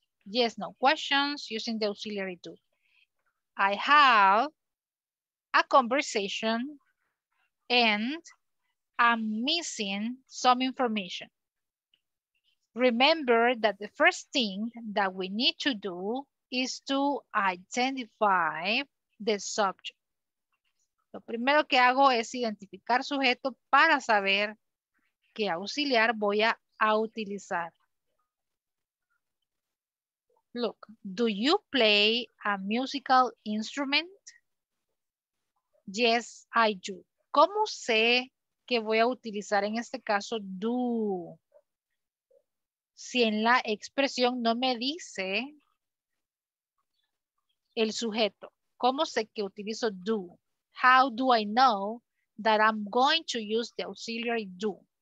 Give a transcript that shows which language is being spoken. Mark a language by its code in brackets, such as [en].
[en] yes, no questions using the auxiliary to. I have a conversation and I'm missing some information. Remember that the first thing that we need to do is to identify the subject. [es] Lo primero que hago es identificar sujeto para saber qué auxiliar voy a utilizar. [en] Look, do you play a musical instrument? Yes, I do. [es] ¿Cómo sé que voy a utilizar en este caso do? Si en la expresión no me dice el sujeto, ¿cómo sé que utilizo do? [en] How do I know that I'm going to use the auxiliary do?